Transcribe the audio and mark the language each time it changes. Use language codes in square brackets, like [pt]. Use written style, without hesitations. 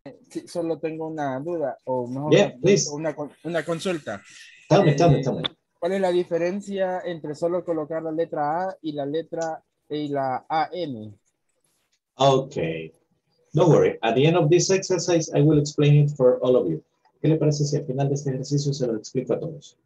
[es] Sí, solo tengo una duda o mejor una consulta. [en] Tell me. [es] ¿Cuál es la diferencia entre solo colocar la letra A y la letra y la AN? [en] Okay. Don't worry. At the end of this exercise, I will explain it for all of you. [es] ¿Qué le parece si al final de este ejercicio se lo explico a todos?